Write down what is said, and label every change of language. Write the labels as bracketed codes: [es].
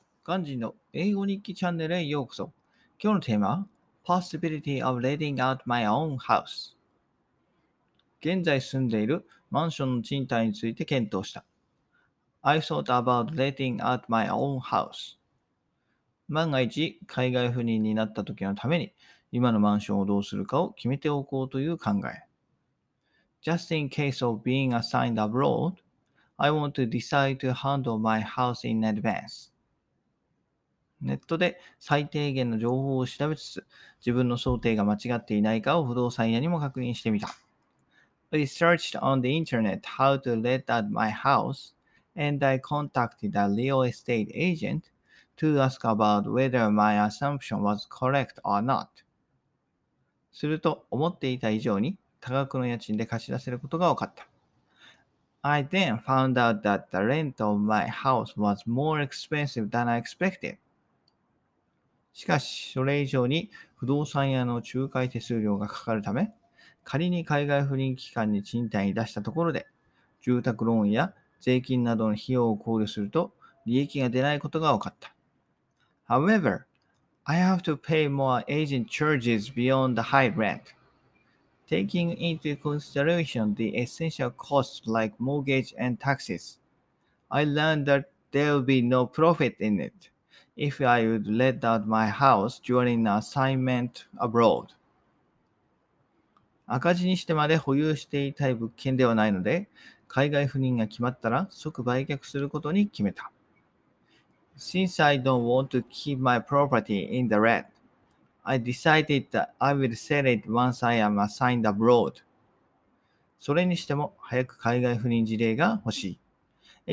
[ja] ガンジーの英語日記チャンネルへようこそ。今日のテーマは Possibility of Letting Out My Own House。現在住んでいるマンションの賃貸について検討した。 [en] I thought about letting out my own house。 [ja] 万が一海外赴任になった時のために今のマンションをどうするかを決めておこうという考え。 [en] Just in case of being assigned abroadI want to decide to handle my house in advance. [ja] ネットで最低限の情報を調べつつ、自分の想定が間違っていないかを不動産屋にも確認してみた。 [en] I searched on the internet how to let out my house, and I contacted a real estate agent to ask about whether my assumption was correct or not. [ja] すると、思っていた以上に多額の家賃で貸し出せることが分かった。 [en] I then found out that the rent of my house was more expensive than I expected. [ja] しかし、それ以上に不動産屋の仲介手数料がかかるため、仮に海外赴任期間に賃貸に出したところで、住宅ローンや税金などの費用を考慮すると利益が出ないことが分かった。 [en] However, I have to pay more agent charges beyond the high rent. Taking into consideration the essential costs like mortgage and taxes, I learned that there would be no profit in it if I would let out my house during an assignment abroad. [ja] 赤字にしてまで保有していたい物件ではないので、海外赴任が決まったら即売却することに決めた。 [en] Since I don't want to keep my property in the red,I decided that I will sell it once I am assigned abroad. [ja] それにしても早く海外赴任事例が欲しい。